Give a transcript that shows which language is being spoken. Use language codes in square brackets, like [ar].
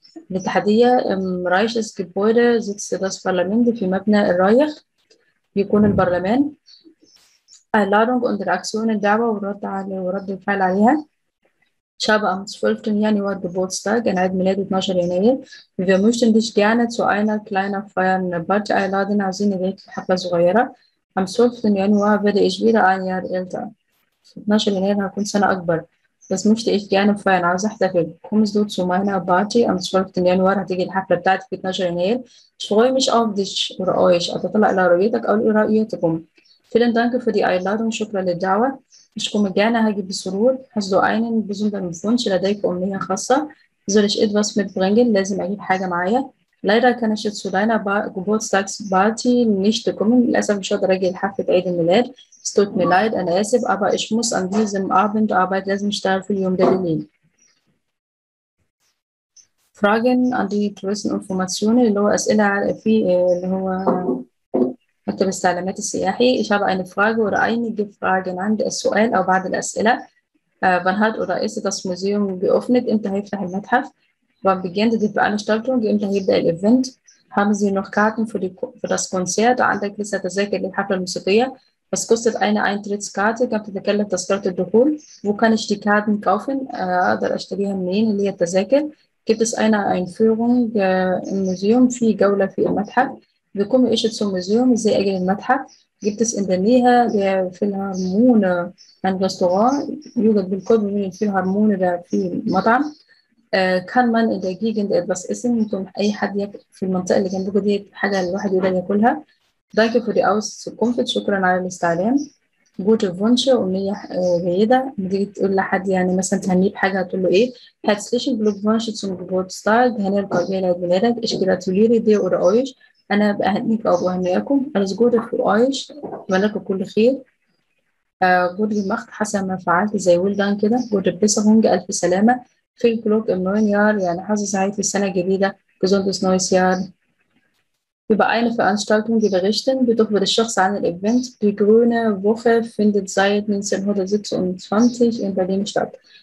[de] الاتحادية im Reichsgebäude sitzt das Parlament، [ar] في مبنى الرايخ يكون البرلمان. [de] Einladung und Reaktion، [ar] الدعوة والرد على ورد الفعل عليها. [de] شاب am 12. Januar Geburtstag، [ar] كان عيد ميلاد 12 يناير. [de] Wir möchten dich gerne zu einer kleinen Feier in der Bad einladen، [ar] عايزين نجيك حفلة صغيرة. [de] Am 12. Januar werde ich wieder ein Jahr älter، [ar] 12 يناير هكون سنة أكبر. [de] Das möchte ich gerne feiern، [ar] عاوز احتفل. [de] Kommst du zu meiner Party am 12. [ar] Januar، هتيجي الحفلة بتاعتي في 12 يناير. [de] Ich freue mich auf dich oder euch، [ar] أتطلع إلى رؤيتك أو لرؤيتكم. [de] Vielen Dank für die Einladung، [ar] شكرا للدعوة. [de] Ich komme gerne، [ar] هاجي بسرور. [de] Hast du einen besonderen Wunsch، [ar] لديك أمنية خاصة؟ [de] Soll ich etwas mitbringen، [ar] لازم أجيب حاجة معايا؟ [de] Leider kann ich zu deiner Geburtstagsparty nicht kommen، [ar] للأسف مش هقدر أجي لحفلة عيد الميلاد. [de] Es tut mir leid، [ar] أنا آسف، [de] aber ich muss an diesem Abend arbeiten، [ar] لازم أشتغل في اليوم ده بالليل. [de] Fragen an die touristischen Informationen، [ar] اللي هو أسئلة في اللي هو مكتب التعليمات السياحي. [de] Ich habe eine Frage oder einige Fragen، [ar] عندي السؤال أو بعض الأسئلة. [de] Wann hat oder ist das Museum geöffnet، [ar] إمتى هيفتح المتحف؟ [de] Wann beginnt die Veranstaltung، [ar] إمتى هيبدأ الإيفنت؟ [de] Haben Sie noch Karten für das Konzert، [ar] عندك لسه تذاكر للحفلة الموسيقية؟ [de] Was kostet eine Eintrittskarte، [ar] كم تتكلف تذكرة الدخول؟ [de] Wo kann ich die Karten kaufen، [ar] أقدر أشتريها منين اللي هي التذاكر؟ [de] Gibt es eine Einführung im Museum، [ar] في جولة في المتحف؟ [de] Wie komme ich zum Museum، [ar] إزاي أجي للمتحف؟ [de] Gibt es in der Nähe der Philharmonie ein Restaurant، [ar] يوجد بالقرب من الفيلهارمونية ده في مطعم؟ [de] Kann man in der Gegend etwas essen، [ar] ممكن أي حد ياكل في المنطقة اللي جنبكم دي حاجة الواحد يقدر ياكلها؟ [de] Danke für die Auskunft، [ar] شكرا على الاستعلام. [de] Gute Wünsche، [ar] أمنية جيدة. دي تقول لحد يعني مثلا تهنيه بحاجة، هتقول له إيه؟ [de] Herzlichen Glückwunsch zum Geburtstag، [ar] هنا القابلة لعيد ميلادك. [de] Ich gratuliere dir oder euch، [ar] أنا بأهنيك أو بأهنيكم. [de] Alles Gute für euch، [ar] أتمنى لكم كل خير. [de] Gut gemacht، [ar] حسب ما فعلت زي [en] well done [ar] كده. [de] Gute Besserung، [ar] ألف سلامة. [de] Viel Glück im neuen Jahr، [ar] يعني حظ سعيد في السنة الجديدة. [de] Gesundes neues Jahr. über eine Veranstaltung, die berichten, jedoch wird es schon sein, ein Event. Die Grüne Woche findet seit 1926 in Berlin statt.